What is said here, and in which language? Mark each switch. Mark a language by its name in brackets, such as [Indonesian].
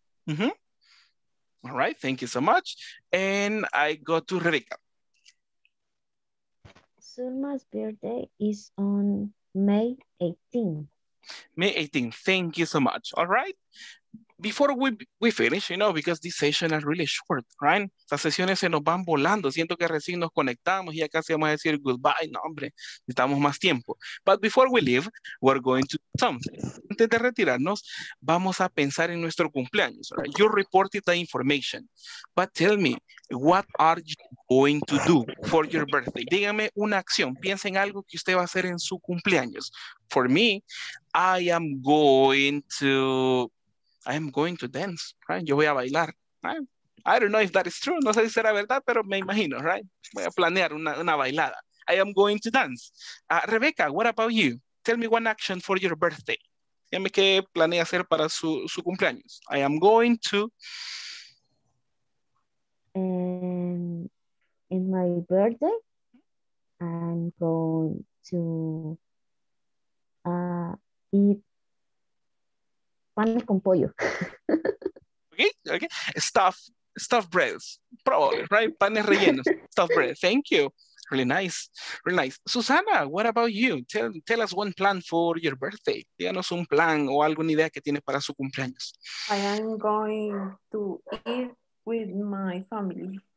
[English] Mm-hmm. All right, thank you so much. And I go to Rebecca. Selma's birthday is on May 18th. May 18th, thank you so much. All right. Before we finish, you know, because this session is really short, right? [Spanish] Estas sesiones se nos van volando. Siento que recién nos conectamos y ya casi vamos a decir goodbye. No, hombre, necesitamos más tiempo. [English] But before we leave, we're going to do something. [Spanish] Antes de retirarnos, vamos a pensar en nuestro cumpleaños. [English] Right? You reported the information. But tell me, what are you going to do for your birthday? [Spanish] Dígame una acción. Piensa en algo que usted va a hacer en su cumpleaños. [English] For me, I am going to... I'm going to dance, right? [Spanish] Yo voy a bailar, [English] right? I don't know if that is true. [Spanish] No sé si será verdad, pero me imagino, [English] right? [Spanish] Voy a planear una bailada. [English] I am going to dance. Rebecca, what about you? Tell me one action for your birthday. [Spanish] Dime qué planea hacer para su cumpleaños. [English] I am going to... In my birthday, I'm going to eat pan con pollo. Okay. Stuffed breads. Probably, right? [Spanish] Panes rellenos. [English] Stuffed bread. Thank you. Really nice. Really nice. Susana, what about you? Tell us one plan for your birthday. [Spanish] Díganos un plan o alguna idea que tiene para su cumpleaños. [English] I am going to eat with my family.